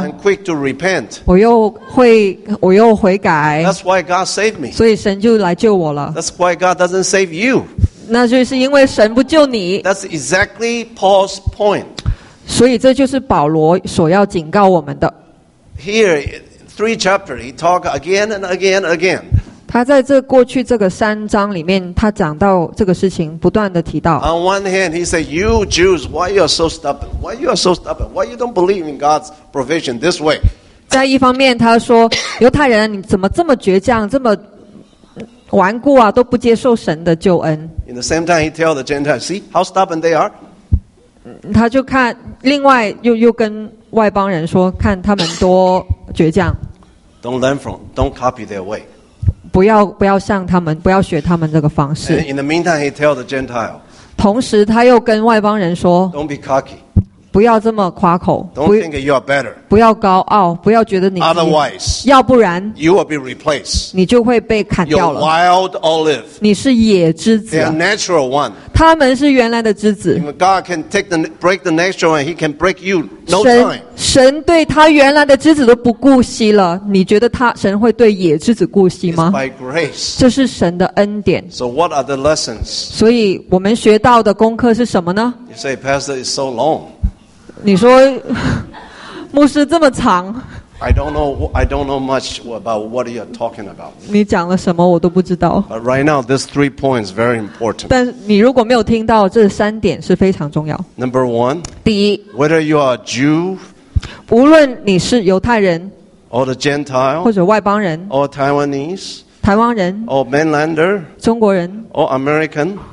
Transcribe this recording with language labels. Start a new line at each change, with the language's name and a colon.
English: I'm quick to repent.
Chinese: 我又悔改。
English: That's why God saved me.
Chinese: 所以神就来救我了。
English: That's why God doesn't save you.
Chinese: 那就是因为神不救你。
English: That's exactly Paul's point.
Chinese: 所以这就是保罗所要警告我们的。
English: Here, three chapters, he talks again and again and again.
Chinese: 他在这过去这个三章里面，他讲到这个事情，不断的提到。
English: On one hand, he said, "You Jews, why you are so stubborn? Why you are so stubborn? Why you don't believe in God's provision this way?"
Chinese: 在一方面，他说，犹太人，你怎么这么倔强，这么顽固啊，都不接受神的救恩。
English: In the same time, he tells the Gentiles, "See how stubborn they are."
Chinese: 他就看，另外又跟外邦人说，看他们多倔强。
English: Don't learn from, don't copy their way.
Chinese: 不要像他们，不要学他们这个方式。
English: In the meantime, he tell the Gentile.
Chinese: 同时，他又跟外邦人说
English: ，Don't be cocky.
Chinese: 不要这么夸口。
English: Don't think you are better.
Chinese: 不要高傲，不要觉得你。
English: Otherwise,
Chinese: 要不然
English: ，you will be replaced.
Chinese: 你就会被砍掉了。
English: You're wild olive.
Chinese: 你是野栀子。
English: They are natural one.
Chinese: 他们是原来的栀子。
English: God can take the break the natural one. He can break you. No time.
Chinese: 神对他原来的枝子都不顾惜了，你觉得他神会对野枝子顾惜吗？
English: It's by grace.
Chinese: 这是神的恩典。
English: So what are the lessons?
Chinese: 所以我们学到的功课是什么呢？
English: You say, Pastor, it's so long.
Chinese: 你说牧师这么长。
English: I don't know much about what you're talking about.
Chinese: 你讲了什么我都不知道。
English: But right now, these three points are very important.
Chinese: 但你如果没有听到，这三点是非常重要。
English: Number one.
Chinese: 第一。
English: Whether you are Jew.
Chinese: 无论你是犹太人
English: or the Gentile,
Chinese: 或者外邦人
English: or Taiwanese,
Chinese: 台湾人
English: or mainlander,
Chinese: 中国人
English: or American,